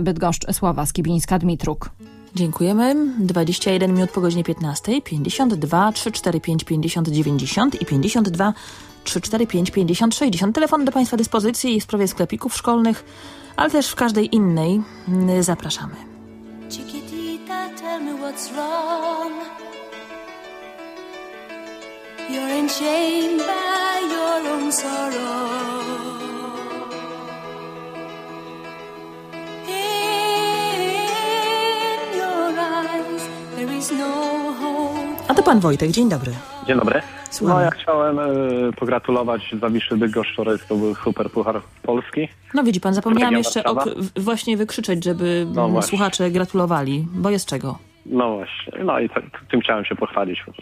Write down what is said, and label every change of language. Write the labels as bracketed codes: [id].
[pl] Bydgoszcz, Sława Skibińska, Dmitruk. Dziękujemy. 21 minut po godzinie 15, 52, 3, 4, 5, 50, 90 i 52, 3, 4, 5, 50, 60. Telefon do Państwa dyspozycji w sprawie sklepików szkolnych, ale też w każdej innej. Zapraszamy. [en] Chiquitita, tell me what's wrong. You're in shame by your own sorrow. In your eyes there is no hope. [pl] A to pan Wojtek, dzień dobry. Dzień dobry. No, ja chciałem pogratulować Zawiszy Bydgoszcz, który to był super puchar Polski. No widzi pan, zapomniałam jeszcze właśnie wykrzyczeć, żeby słuchacze gratulowali, bo jest czego. No właśnie, no i tym chciałem się pochwalić.